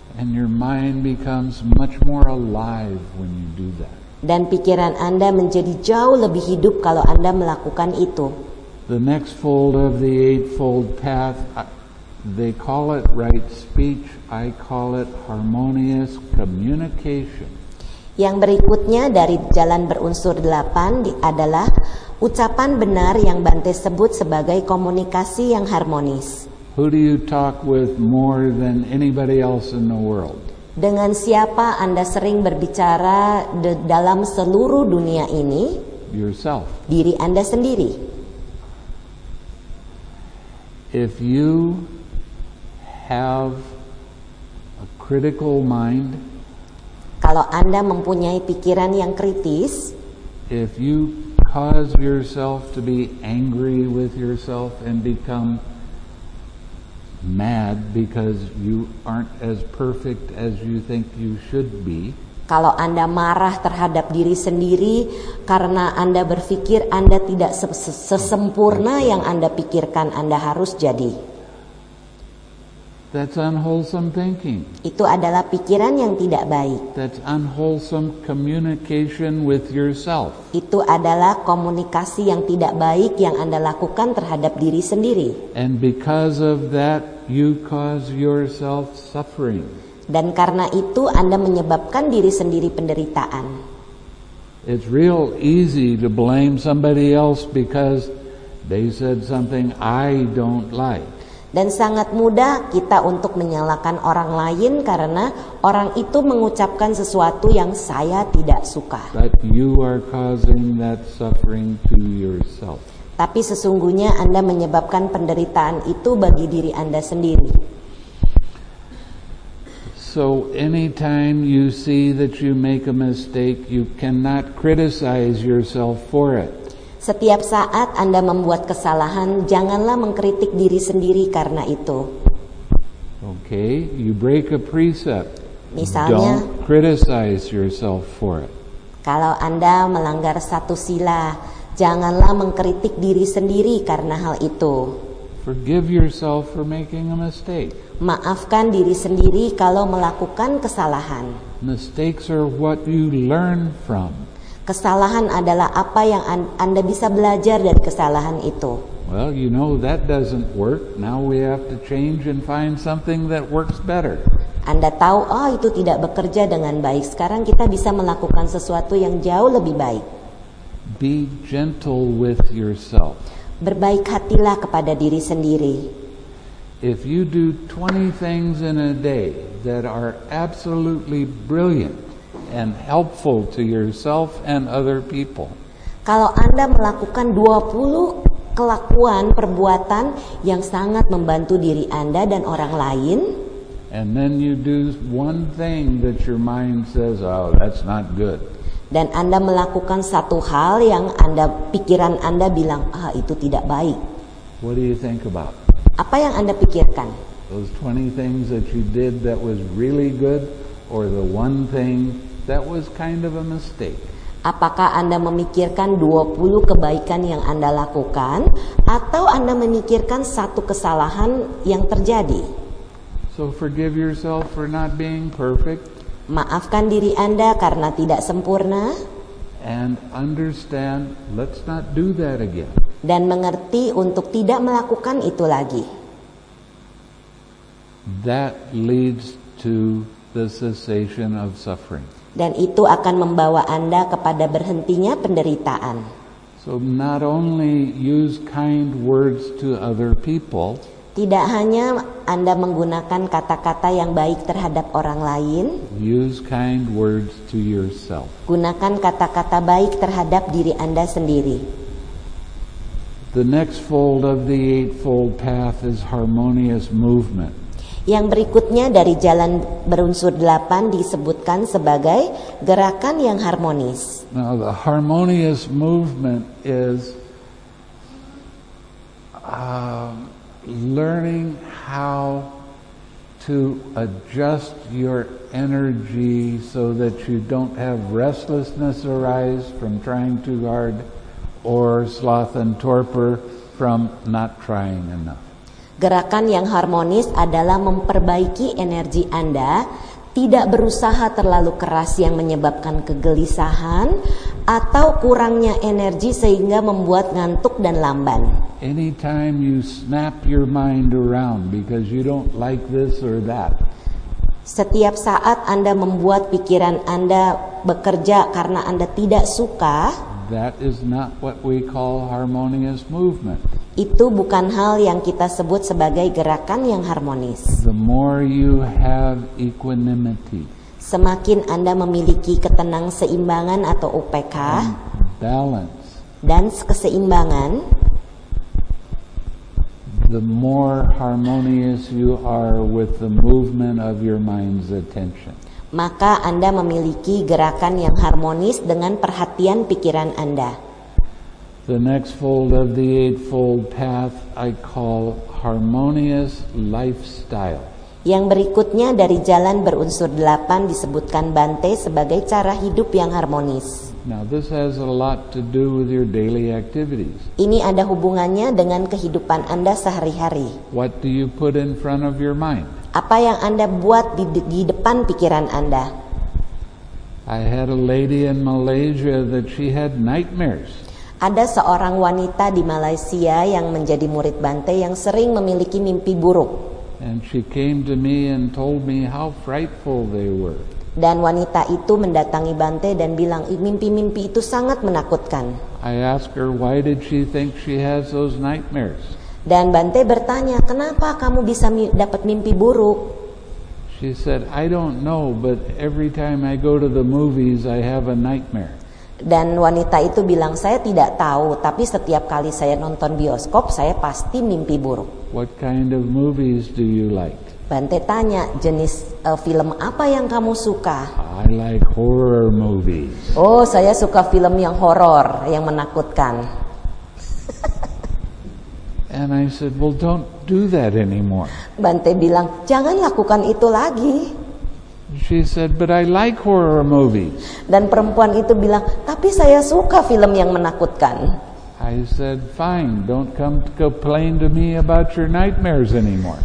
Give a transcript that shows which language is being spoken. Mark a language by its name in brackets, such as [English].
[English] And your mind becomes much more alive when you do that. [Indonesian] Dan pikiran Anda menjadi jauh lebih hidup kalau Anda melakukan itu. [English] The next fold of the eightfold path, they call it right speech, I call it harmonious communication. [Indonesian] Yang berikutnya dari jalan berunsur 8 adalah ucapan benar yang Bante sebut sebagai komunikasi yang harmonis. [English] Who do you talk with more than anybody else in the world? [Indonesian] Dengan siapa Anda sering berbicara dalam seluruh dunia ini? [English] Yourself. [Indonesian] Diri Anda sendiri. [English] If you have a critical mind, [Indonesian] kalau Anda mempunyai pikiran yang kritis, [English] if you cause yourself to be angry with yourself and become mad because you aren't as perfect as you think you should be, [Indonesian] kalau Anda marah terhadap diri sendiri karena Anda berpikir Anda tidak sesempurna yang Anda pikirkan Anda harus jadi, [English] that's unwholesome thinking. [Indonesian] Itu adalah pikiran yang tidak baik. [English] That's unwholesome communication with yourself. [Indonesian] Itu adalah komunikasi yang tidak baik yang Anda lakukan terhadap diri sendiri. [English] And because of that, you cause yourself suffering. [Indonesian] Dan karena itu Anda menyebabkan diri sendiri penderitaan. [English] It's real easy to blame somebody else because they said something I don't like. [Indonesian] Dan sangat mudah kita untuk menyalahkan orang lain karena orang itu mengucapkan sesuatu yang saya tidak suka. [English] But you are causing that suffering to yourself. [Indonesian] Tapi sesungguhnya Anda menyebabkan penderitaan itu bagi diri Anda sendiri. [English] So anytime you see that you make a mistake, you cannot criticize yourself for it. [Indonesian] Setiap saat Anda membuat kesalahan, janganlah mengkritik diri sendiri karena itu. [English] Okay, you break a precept. [Indonesian] Misalnya, [English] don't criticize yourself for it. [Indonesian] Kalau Anda melanggar satu sila, janganlah mengkritik diri sendiri karena hal itu. [English] Forgive yourself for making a mistake. [Indonesian] Maafkan diri sendiri kalau melakukan kesalahan. [English] Mistakes are what you learn from. [Indonesian] Kesalahan adalah apa yang Anda bisa belajar dari kesalahan itu. [English] Well, you know that doesn't work. Now we have to change and find something that works better. [Indonesian] Anda tahu, oh itu tidak bekerja dengan baik. Sekarang kita bisa melakukan sesuatu yang jauh lebih baik. [English] Be gentle with yourself. [Indonesian] Berbaik hatilah kepada diri sendiri. [English] If you do 20 things in a day that are absolutely brilliant and helpful to yourself and other people. [Indonesian] Kalau Anda melakukan 20 kelakuan perbuatan yang sangat membantu diri Anda dan orang lain. [English] And then you do one thing that your mind says, oh, that's not good. [Indonesian] Dan Anda melakukan satu hal yang Anda pikiran Anda bilang, ah, itu tidak baik. [English] What do you think about? [Indonesian] Apa yang Anda pikirkan? [English] Those 20 things that you did that was really good, or the one thing that was kind of a mistake? [Indonesian] Apakah Anda memikirkan 20 kebaikan yang Anda lakukan, atau Anda memikirkan satu kesalahan yang terjadi? [English] So forgive yourself for not being perfect. [Indonesian] Maafkan diri Anda karena tidak sempurna. [English] And understand, let's not do that again. [Indonesian] Dan mengerti untuk tidak melakukan itu lagi. [English] That leads to the cessation of suffering. [Indonesian] Dan itu akan membawa Anda kepada berhentinya penderitaan. [English] So not only use kind words to other people. [Indonesian] Tidak hanya Anda menggunakan kata-kata yang baik terhadap orang lain. [English] Use kind words to yourself. [Indonesian] Gunakan kata-kata baik terhadap diri Anda sendiri. [English] The next fold of the eightfold path is harmonious movement. [Indonesian] Yang berikutnya dari jalan berunsur 8 disebutkan sebagai gerakan yang harmonis. [English] Now the harmonious movement is learning how to adjust your energy so that you don't have restlessness arise from trying too hard or sloth and torpor from not trying enough. [Indonesian] Gerakan yang harmonis adalah memperbaiki energi Anda, tidak berusaha terlalu keras yang menyebabkan kegelisahan atau kurangnya energi sehingga membuat ngantuk dan lamban. [English] Anytime you snap your mind around because you don't like this or that. [Indonesian] Setiap saat Anda membuat pikiran Anda bekerja karena Anda tidak suka. [English] That is not what we call harmonious movement. [Indonesian] Itu bukan hal yang kita sebut sebagai gerakan yang harmonis. [English] The more you have equanimity. [Indonesian] Semakin Anda memiliki ketenang seimbangan atau UPK. [English] Balance. [Indonesian] Dan keseimbangan. [English] The more harmonious you are with the movement of your mind's attention. [Indonesian] Maka Anda memiliki gerakan yang harmonis dengan perhatian pikiran Anda. [English] The next fold of the eightfold path I call harmonious lifestyle. [Indonesian] Yang berikutnya dari jalan berunsur 8 disebutkan Bante sebagai cara hidup yang harmonis. [English] Now this has a lot to do with your daily activities. [Indonesian] Ini ada hubungannya dengan kehidupan Anda sehari-hari. [English] What do you put in front of your mind? [Indonesian] Apa yang Anda buat di depan pikiran Anda? [English] I had a lady in Malaysia that she had nightmares. [Indonesian] Ada seorang wanita di Malaysia yang menjadi murid Bante yang sering memiliki mimpi buruk. [English] And she came to me and told me how frightful they were. [Indonesian] Dan wanita itu mendatangi Bante dan bilang mimpi-mimpi itu sangat menakutkan. [English] I asked her why did she think she has those nightmares. [Indonesian] Dan Bante bertanya, kenapa kamu bisa dapat mimpi buruk? [English] She said, I don't know, but every time I go to the movies, I have a nightmare. [Indonesian] Dan wanita itu bilang, saya tidak tahu, tapi setiap kali saya nonton bioskop, saya pasti mimpi buruk. [English] What kind of movies do you like? [Indonesian] Bante tanya, jenis film apa yang kamu suka? [English] I like horror movies. [Indonesian] Oh, saya suka film yang horror, yang menakutkan. [English] And I said, "Well, don't do that anymore." [Indonesian] Bante bilang, "Jangan lakukan itu lagi." [English] She said, "But I like horror movies." [Indonesian] Dan perempuan itu bilang, "Tapi saya suka film yang menakutkan." [English] I said, "Fine, don't come to complain to me about your nightmares anymore."